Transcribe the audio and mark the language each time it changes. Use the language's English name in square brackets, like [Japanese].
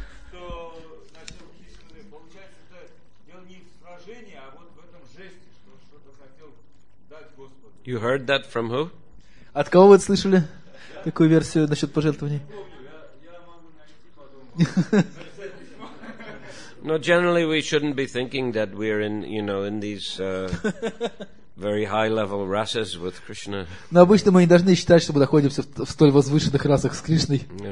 [Russian] Что начал Кришна, получается, это дело не в сражении, а вот в этом жесте, что что-то хотел дать Господу. [English] You heard that from who? [Russian] От кого вы это слышали? Такую версию насчет пожертвований? Не помню, я могу найти потом. Но [English] generally we shouldn't be thinking that we are in, you know, in these very high level rasas with Krishna. [Russian] Но обычно мы не должны считать, что мы находимся в столь возвышенных расах с Кришной.